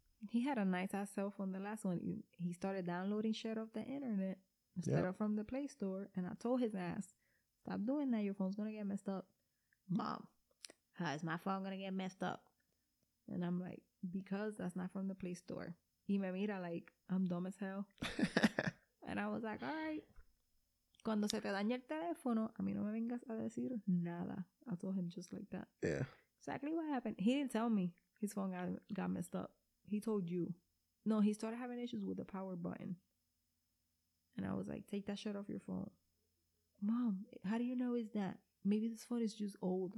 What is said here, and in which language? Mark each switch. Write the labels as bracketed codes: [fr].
[en] He had a nice ass cell phone, the last one. He started downloading shit off the internet instead of from the Play Store. And I told his ass, stop doing that. Your phone's going to get messed up. Mom, how is my phone going to get messed up? And I'm like, because that's not from the Play Store. He made me like, I'm dumb as hell. And I was like, all right. [es] Cuando se te daña el teléfono, a mí no me vengas a decir nada. [en] I told him just like that. Yeah. Exactly what happened. He didn't tell me his phone got messed up. He told you. No, he started having issues with the power button. And I was like, take that shit off your phone. Mom, how do you know is that? Maybe this phone is just old.